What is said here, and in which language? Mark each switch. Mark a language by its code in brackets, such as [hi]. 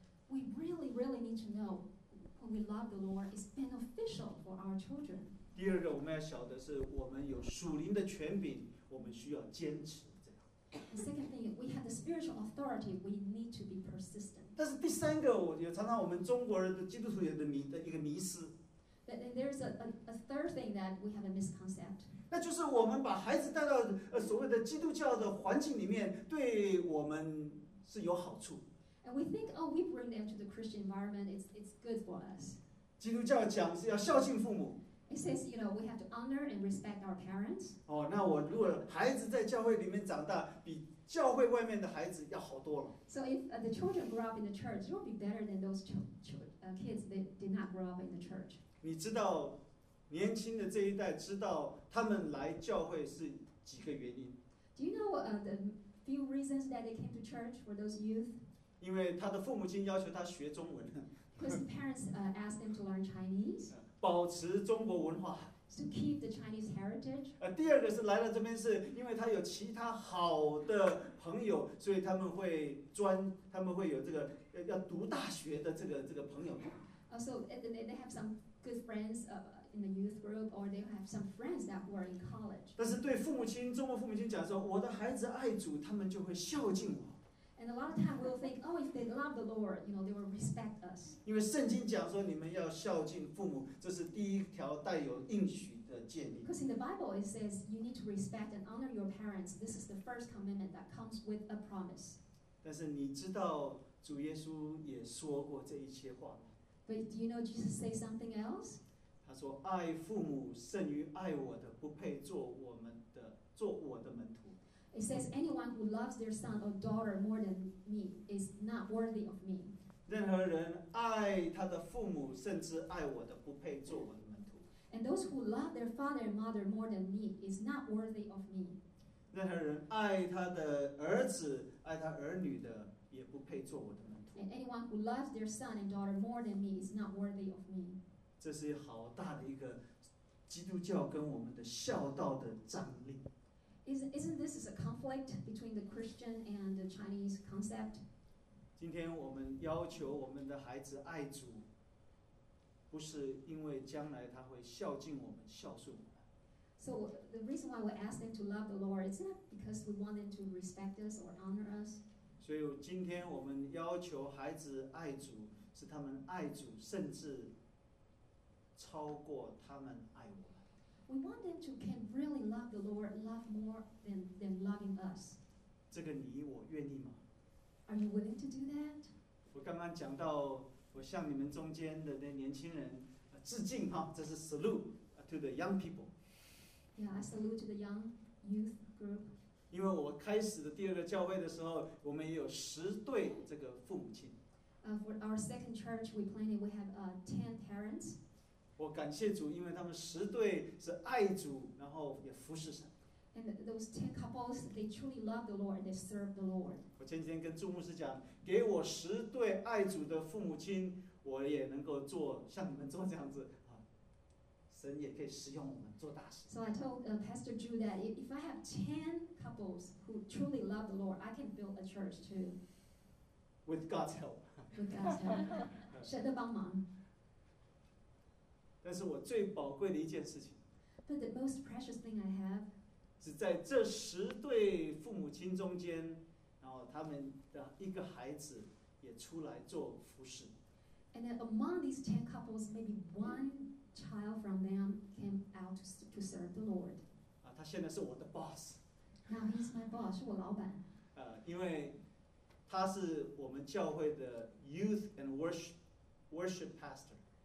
[en] We really, really need to know when we love the Lord is beneficial for our children. [zh] 第二个我们要晓得是我们有属灵的权柄，我们需要坚持。 [en] The second thing, we have the spiritual authority, we need to be persistent. [zh] 但是第三个，我也常常我们中国人的基督徒的迷的一个迷思。 [en] But there's a third thing that we have a misconcept. [zh] 那就是我们把孩子带到所谓的基督教的环境里面，对我们是有好处。 [en] And we think, oh, we bring them to the Christian environment, it's good for us. [zh] 基督教讲是要孝敬父母。 [en] It says, you know, we have to honor and respect our parents. [zh] 哦，那我如果孩子在教会里面长大，比教会外面的孩子要好多了。 [en] So if the children grow up in the church, it will be better than those kids that did not grow up in the church. [zh] 你知道，年轻的这一代知道他们来教会是几个原因 [en] ？Do you know the few reasons that they came to church for those youth? [zh] 因为他的父母亲要求他学中文。 [en] Because parents asked them to learn Chinese. [zh] 保持中国文化。 [en] To keep the Chinese heritage. [zh] 第二个是来了这边是因为他有其他好的朋友，所以他们会有这个要读大学的这个朋友。 [en] So they have some good friends in the youth group, or they have some friends that were in college. [zh] 但是对父母亲，中国父母亲讲说，我的孩子爱主，他们就会孝敬我。 [en] And a lot of times we'll think, oh, if they love the Lord, you know, they will respect us. [zh] 因为圣经讲说你们要孝敬父母，这是第一条带有应许的诫命。 [en] Because in the Bible it says you need to respect and honor your parents. This is the first commandment that comes with a promise. [zh] 但是你知道主耶稣也说过这一些话吗？ [en] But do you know Jesus say something else? [zh] 他说爱父母胜于爱我的，不配做我的门徒。 [en] It says anyone who loves their son or daughter more than me is not worthy of me. [zh] 任何人爱他的父母甚至爱我的不配做我的门徒。 [en] And those who love their father and mother more than me is not worthy of me. [zh] 任何人爱他的儿子爱他儿女的也不配做我的门徒。 [en] And anyone who loves their son and daughter more than me is not worthy of me. [zh] 这是好大的一个基督教跟我们的孝道的张力。 [en] Isn't this a conflict between the Christian and the Chinese concept? [zh] 今天我们要求我们的孩子爱主，不是因为将来他会孝敬我们、孝顺我们。 [en] So the reason why we ask them to love the Lord is not because we want them to respect us or honor us. [zh] 所以今天我们要求孩子爱主，是他们爱主，甚至超过他们爱我们。 [en] We want them to can really love the Lord, love more than loving us. [zh] 这个你我愿意吗？ [en] Are you willing to do that? [zh] 我刚刚讲到，我向你们中间的那年轻人致敬哈，这是 [en] salute to the young people. Yeah, I salute to the young youth group. [zh] 因为我开始的第二个教会的时候，我们也有十对这个父母亲。 [en] For our second church, we planted, we have 10 parents. [zh] 我感谢主，因为他们十对是爱主，然后也服侍神。 [en] And those 10 couples, they truly love the Lord, they serve the Lord. [zh] 我前几天跟祝牧师讲，给我十对爱主的父母亲，我也能够做像你们做这样子啊，神也可以使用我们做大事。 [en] So I told Pastor Drew that if I have 10 couples who truly love the Lord, I can build a church too. With God's help. With God's help. [zh] 神的帮忙。但是我最宝贵的一件事情。 [en] But the most precious thing I have. [zh] 是在这十对父母亲中间，然后他们的一个孩子也出来做服侍。 [en] And then among these 10 couples, maybe one child from them came out to serve the Lord. [zh] 啊，他现在是我的 boss. [en] Now he's my boss, [zh] 是我老板。因为他是我们教会的 youth and worship pastor.